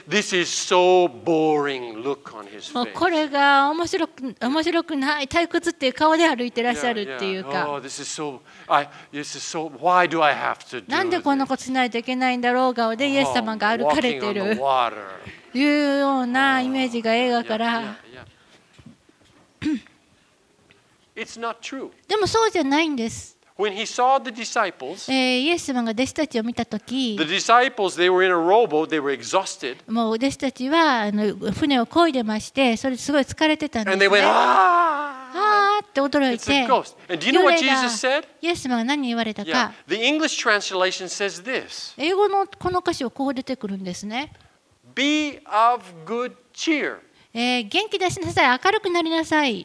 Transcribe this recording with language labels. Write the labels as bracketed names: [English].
[English] This is so boring look on his face. [Japanese] これが面白くない退屈っていう顔で歩いてらっしゃるっていうか。 [English] Oh, this is so. This is so. Why do I have to do this? [Japanese] なんでこんなことしないといけないんだろう顔でイエス様が歩かれてる。 [English] Walking on the water. [Japanese] いうようなイメージが映画から。 [English] It's not true. [Japanese] でもそうじゃないんです。 [English] When he saw the disciples, [Japanese] イエス様が弟子たちを見たとき、 [English] the disciples, they were in a rowboat, they were exhausted. [Japanese] もう弟子たちは船を漕いでまして、それすごい疲れてたんですね。 [English] And they went, [Japanese] って驚いて、 [English] It's a ghost. And do you know what Jesus said? [Japanese] イエス様が何言われたか。 [English] Yeah. The English translation says this. [Japanese] 英語のこの歌詞をこう出てくるんですね。 [English] Be of good cheer. [Japanese] 元気出しなさい、明るくなりなさい。